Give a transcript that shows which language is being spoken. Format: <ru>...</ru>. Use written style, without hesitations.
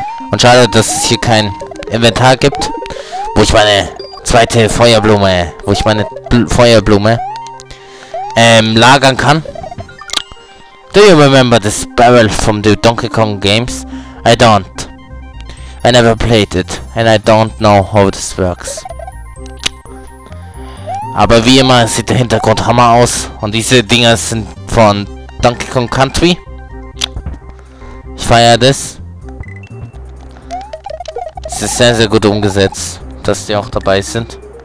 <de>Und schade, dass es hier kein Inventar gibt, wo ich meine zweite Feuerblume, lagern kann.</de> <en>Do you remember this barrel from the Donkey Kong games? I don't. I never played it, and I don't know how this works.</en> <de>Aber wie immer sieht der Hintergrund Hammer aus, und diese Dinger sind von Donkey Kong Country. Ich feiere das. Es ist sehr, sehr gut umgesetzt, dass die auch dabei sind.</de>